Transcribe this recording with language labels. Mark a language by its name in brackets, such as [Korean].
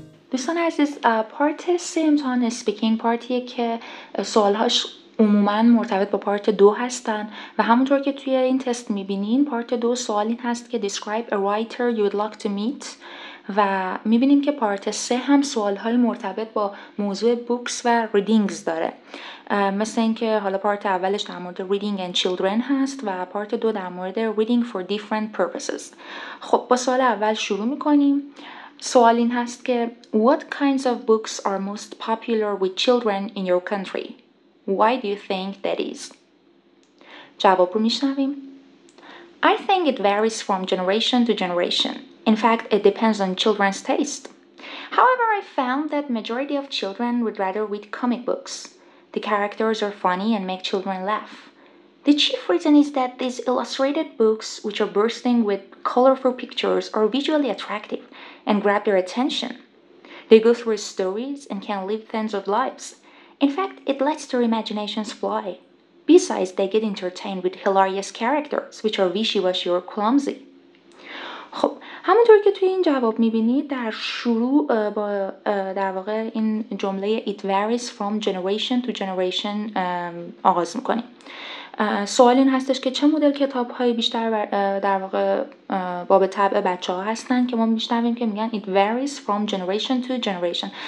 [Persian] دوستان عزیز، پارت 3 امتحان اسپیکینگ پارتیه که سوالهاش عموماً مرتبط با پارت 2 هستن و همونطور که توی این تست میبینین پارت 2 سوال این هست که Describe a writer you would like to meet و میبینیم که پارت 3 هم سوالهای مرتبط با موضوع بوکس و ریدینگز داره، مثل اینکه حالا پارت اولش در مورد ریدینگ اند چیلدرن هست و پارت 2 در مورد ریدینگ فور دیفرنت پرپسز. خب با سوال اول شروع میکنیم. سوال این هست که What kinds of books are most popular with children in your country? [English] Why do you think that is? جواب رو میشنویم. I think it varies from generation to generation. In fact, it depends on children's taste. However, I found that majority of children would rather read comic books. The characters are funny and make children laugh. The chief reason is that these illustrated books, which are bursting with colorful pictures, are visually attractive and grab their attention. They go through stories and can live tons of lives. In fact, it lets their imaginations fly. Besides, they get entertained with hilarious characters, which are wishy-washy or clumsy. [Persian] خب همونطور که توی این جواب میبینید در شروع با در واقع این جمله It varies from generation to generation آغاز میکنیم. سوال این هستش که چه مدل کتاب های بیشتر در واقع باب طبع بچه ها هستن که ما میشنویم که میگن It varies from generation to generation.